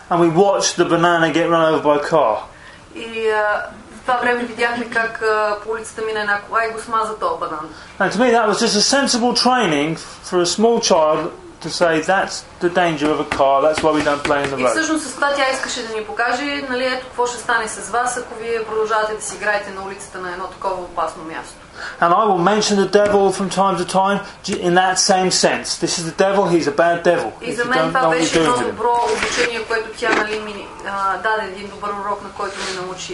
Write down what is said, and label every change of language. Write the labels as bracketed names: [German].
[English] And we watched the banana get run over by a car. [Bulgarian] И в това време видяхме как по улицата мина една кола и го смаза този банан. [English] And to me that was just a sensible training for a small child to say that's the danger of a car, that's why we don't play in the road. [Bulgarian] И всъщност с това тя искаше да ни покаже, нали, ето какво ще стане с вас, ако вие продължавате да си играете на улицата на едно такова опасно място. [English] And I will mention the devil from time to time in that same sense. This is the devil, he's a bad devil. [Bulgarian] И за мен това беше едно добро обучение, което тя, нали, ми даде един добър урок, на който ме научи.